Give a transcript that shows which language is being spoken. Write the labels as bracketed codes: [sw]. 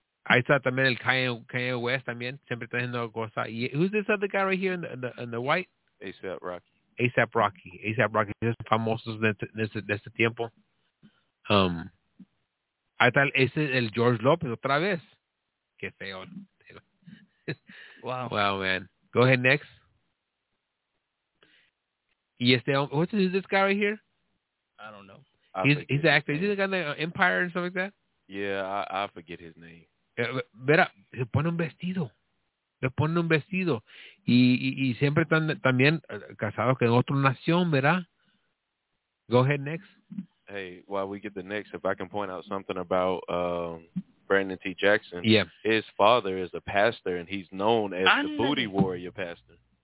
[es] Ahí está también el Kanye West también, siempre está haciendo cosas. [en] Who's this other guy right here in the white? A$AP Rocky. [es] Es famoso de ese tiempo. Ahí está el George Lopez otra vez. Qué feo. Wow. [en] Wow, man. Go ahead, next. [es] Y este, [en] who's this guy right here? I don't know. He's an actor. Is he the guy in the Empire and stuff like that? Yeah, I forget his name. [es] Mira, se pone un vestido y siempre están también casados que en otra nación, ¿verdad? [en] Go ahead, next. Hey, while we get the next, if I can point out something about Brandon T. Jackson. Yeah. His father is a pastor and he's known as the Booty Warrior pastor.